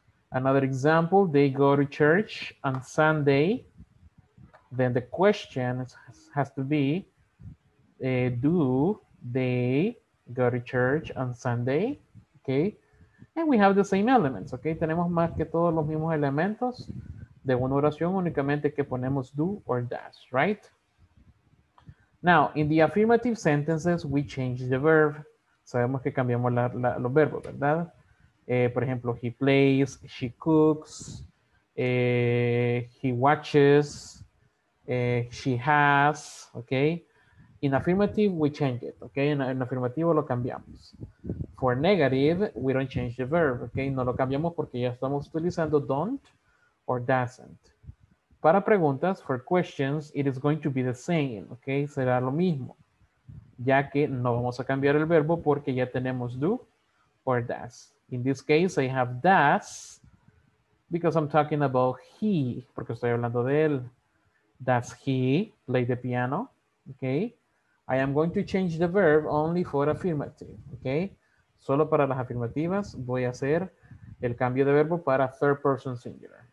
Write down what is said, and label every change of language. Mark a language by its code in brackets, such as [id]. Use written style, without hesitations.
[en] Another example, they go to church on Sunday. Then the question has to be, do they go to church on Sunday? Okay, and we have the same elements, okay? [es] Tenemos más que todos los mismos elementos de una oración, únicamente que ponemos [en] do or does, [es] right? [en] Now, in the affirmative sentences, we change the verb. [es] Sabemos que cambiamos los verbos, ¿verdad? Por ejemplo, [en] he plays, she cooks, he watches, she has, [es] ¿ok? [en] In affirmative, we change it, ¿ok? [es] En afirmativo lo cambiamos. [en] For negative, we don't change the verb, ¿ok? [es] No lo cambiamos porque ya estamos utilizando [en] don't or doesn't. [es] Para preguntas, [en] for questions, it is going to be the same, ¿ok? [es] Será lo mismo. Ya que no vamos a cambiar el verbo porque ya tenemos [en] do or does. In this case, I have does because I'm talking about he, [es] porque estoy hablando de él. [en] Does he play the piano? Okay. I am going to change the verb only for affirmative. Okay. [es] Solo para las afirmativas voy a hacer el cambio de verbo para [en] third person singular.